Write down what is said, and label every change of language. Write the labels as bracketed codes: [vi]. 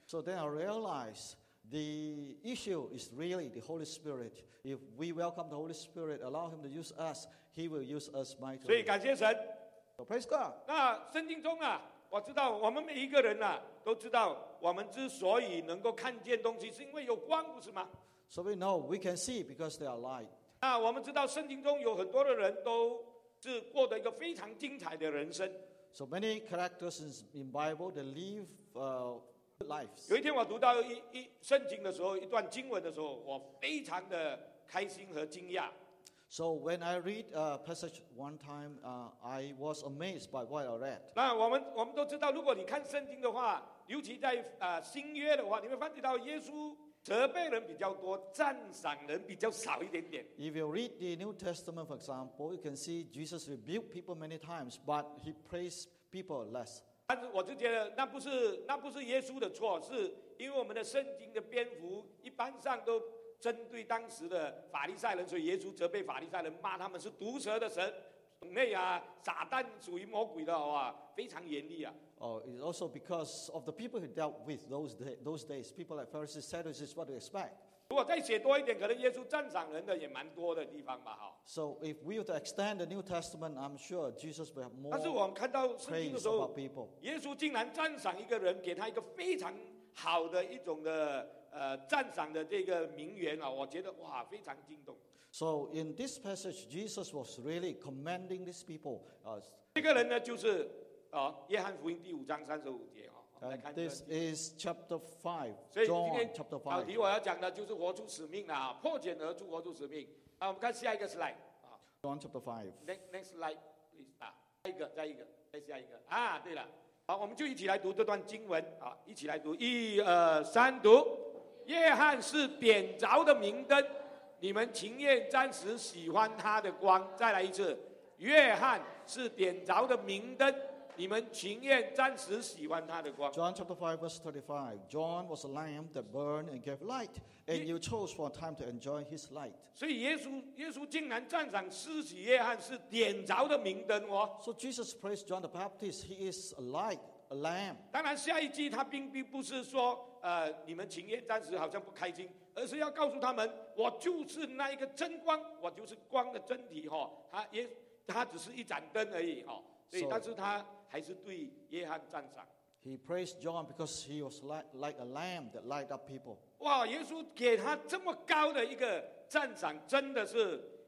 [en] So then I realized. The issue is really the Holy Spirit. If we welcome the Holy Spirit, allow Him to use us, He will use us mightily. [zh] 所以感谢神。 [en] So praise God. [zh] 那圣经中啊，我知道我们每一个人啊，都知道我们之所以能够看见东西，是因为有光，不是吗 [en] ？So we know we can see because there are light. [zh] 那我们知道圣经中有很多的人都是过得一个非常精彩的人生。 [en] So many characters in Bible they live lives. [zh] 有一天我读到一圣经的时候，一段经文的时候，我非常的开心和惊讶。 [en] So when I read a passage one time, I was amazed by what I read. [zh] 那我们都知道，如果你看圣经的话，尤其在新约的话，你会发觉到耶稣责备人比较多，赞赏人比较少一点点。 [en] If you read the New Testament, for example, you can see Jesus rebuked people many times, but he praised people less. [zh] 但是我就觉得那不是耶稣的错，是因为我们的圣经的篇幅一般上都针对当时的法利赛人，所以耶稣责备法利赛人，骂他们是毒蛇的神，种类啊，撒旦属于魔鬼的好吧，非常严厉啊。 [en] Oh, it's also because of the people he dealt with those days. People like Pharisees, Sadducees, what do you expect? [zh] 如果再写多一点，可能耶稣赞赏人的也蛮多的地方吧，哈。 [en] So if we were to extend the New Testament, I'm sure Jesus will have more. [zh] 但是我们看到圣经的时候，耶稣竟然赞赏一个人，给他一个非常好的一种的赞赏的这个名言啊，我觉得哇，非常惊动。 [en] So in this passage, Jesus was really commending these people. [zh] 这个人呢，就是约翰福音第五章三十五节啊。 [en] And this is chapter 5, John chapter 5. [zh] 所以今天，好，我要讲的就是活出使命啊，破茧而出，活出使命。那我们看下一个 slide 啊。 [en] John chapter 5. Next slide, please. [zh] 啊，再一个，啊，对了，好，我们就一起来读这段经文啊，一起来读，一二三，读。约翰是点着的明灯，你们情愿暂时喜欢他的光。再来一次，约翰是点着的明灯。你们情愿暂时喜欢他的光。 [en] John chapter 5 verse 35. John was a lamp that burned and gave light, and you chose for a time to enjoy his light. [zh] 所以耶稣竟然赞赏施洗约翰是点着的明灯哦。 [en] So Jesus praised John the Baptist. He is a light, a lamp. [zh] 当然，下一句他并不是说你们情愿暂时好像不开心，而是要告诉他们，我就是那一个真光，我就是光的真体哈。他只是一盏灯而已哈。所以，但是他还是对约翰赞赏。 [en] He praised John because he was like a lamb that light up people. [zh] 哇，耶稣给他这么高的一个赞赏，真的是